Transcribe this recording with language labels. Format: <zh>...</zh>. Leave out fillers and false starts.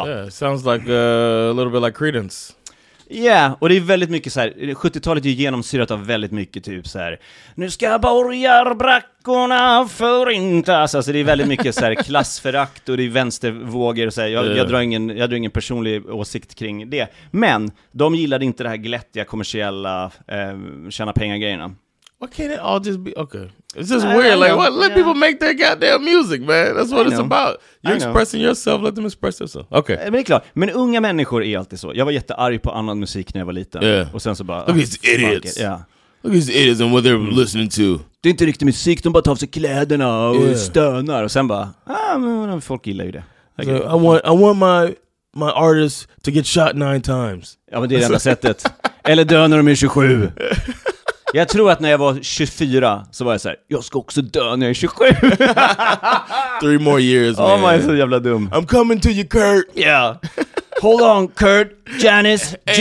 <en>Sounds like a little bit like Creedence.</en> <sv>Yeah, och det är väldigt mycket så här, 70-talet är ju genomsyrat av väldigt mycket typ så här. Nu ska borgarbrackorna förintas. Alltså det är väldigt mycket så här klassförakt och det är vänstervågor och så här. Jag drar ingen personlig åsikt kring det. Men de gillade inte det här glättiga kommersiella tjäna pengar grejerna.</sv> <en>What can it all just be? Okay. It's just weird. Like, what? Let people make their goddamn music, man. That's what it's about. You're expressing yourself. Let them express themselves. Okay.</en> <sv>Men det är klart. Men unga människor är alltid så. Jag var jättearg på annan musik när jag var liten.</sv> <en>Yeah.</en> <sv>Och sen så bara...</sv> <en>Look at these idiots. Yeah. Look at these idiots and what they're listening to.</en> <sv>Det är inte riktig musik. De bara tar av sig kläderna och stönar. Och sen bara... Ah, men folk gillar ju det.</sv> <en>Okay. So I want my artist to get shot 9 times.</en> <sv>Ja, men det är det enda sättet. Eller dö när de är 27. Jag tror att när jag var 24 så var jag så här, jag ska också dö när jag är 27.</sv> <en>3 more years, man. Oh my,</en> <sv>så jävla dum.</sv> <en>I'm coming to you, Kurt. Yeah. Hold on, Kurt, Janice, Amy.</en>